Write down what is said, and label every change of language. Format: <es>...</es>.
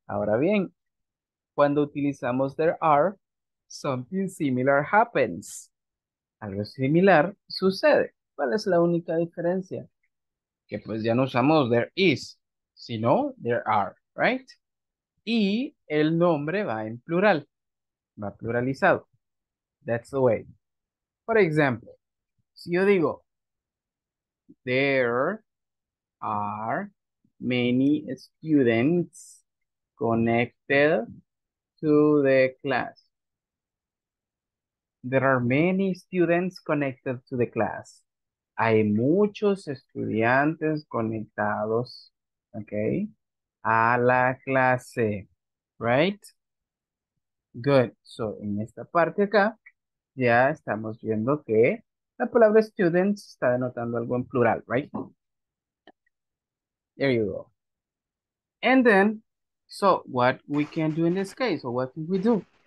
<es>Ahora bien, cuando utilizamos</es> <en>there are, something similar happens.</en> <es>Algo similar sucede. ¿Cuál es la única diferencia? Que pues ya no usamos</es> <en>there is,</en> <es>sino</es> <en>there are, right?</en> <es>Y el nombre va en plural, va pluralizado.</es> <en>That's the way.</en> <es>Por ejemplo, si yo digo,</es> <en>there are many students connected to the class. There are many students connected to the class.</en> <es>Hay muchos estudiantes conectados, okay, a la clase,</es> <en>right? Good.</en> <es>So, en esta parte acá, ya estamos viendo que la palabra students está denotando algo en plural, right?</es> <en>There you go. And then, so, what we can do in this case, or what can we do?</en>